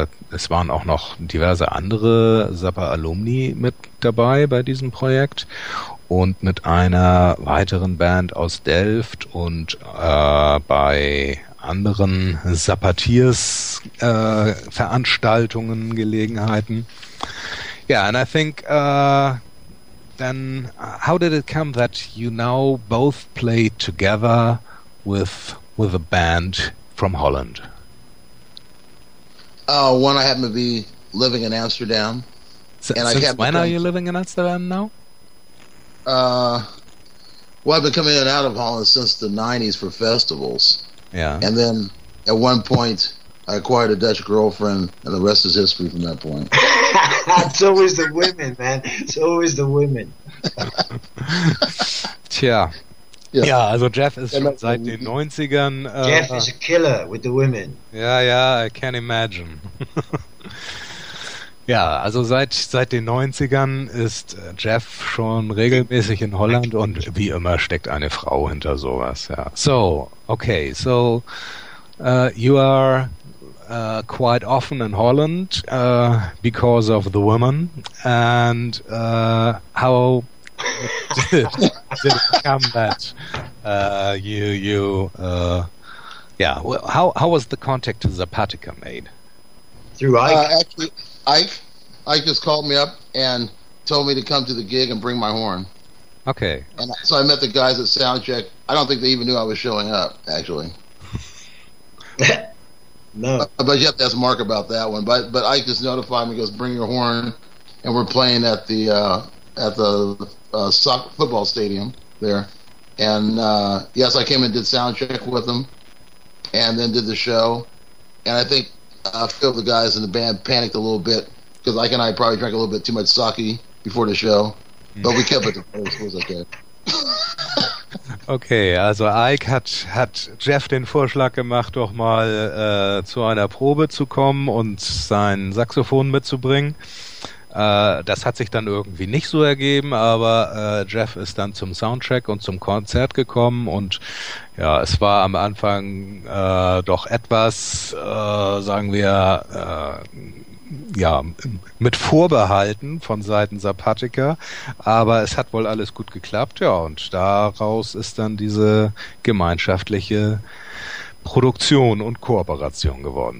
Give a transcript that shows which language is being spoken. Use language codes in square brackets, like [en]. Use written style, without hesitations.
[de] es waren auch noch diverse andere Zappa-Alumni mit dabei bei diesem Projekt, und mit einer weiteren Band aus Delft und bei anderen Zappatiers Veranstaltungen, Gelegenheiten. [en] Yeah, and I think then how did it come that you now both play together with a band from Holland? One, I happen to be living in Amsterdam. Are you living in Amsterdam now? I've been coming in and out of Holland since the 90s for festivals. Yeah. And then at one point I acquired a Dutch girlfriend, and the rest is history from that point. It's always the women, man. It's always the women. Tja. Yeah. [de] Ja, also Jeff ist schon seit den 90ern. [en] Jeff is a killer with the women. Ja, ja, I can imagine. [de] Ja, also seit den 90ern ist Jeff schon regelmäßig in Holland, und wie immer steckt eine Frau hinter sowas, ja. [en] So, okay, so you are quite often in Holland because of the women, and how did it come that how was the contact to Zapatica made? Through Ike. Ike just called me up and told me to come to the gig and bring my horn. Okay. And so I met the guys at Soundcheck. I don't think they even knew I was showing up, actually. No. But you have to ask Mark about that one. But Ike just notified me, goes, bring your horn. And we're playing at the soccer football stadium there. And yes, I came and did Soundcheck with them, and then did the show. And I think a few of the guys in the band panicked a little bit, because Ike and I probably drank a little bit too much sake before the show, but we kept it to play as well as I could. [de] Okay, also Ike hat Jeff den Vorschlag gemacht, doch mal zu einer Probe zu kommen und sein Saxophon mitzubringen. Das hat sich dann irgendwie nicht so ergeben, aber Jeff ist dann zum Soundcheck und zum Konzert gekommen, und ja, es war am Anfang doch etwas, sagen wir, ja, mit Vorbehalten von Seiten Zapatica, aber es hat wohl alles gut geklappt, ja, und daraus ist dann diese gemeinschaftliche Produktion und Kooperation geworden.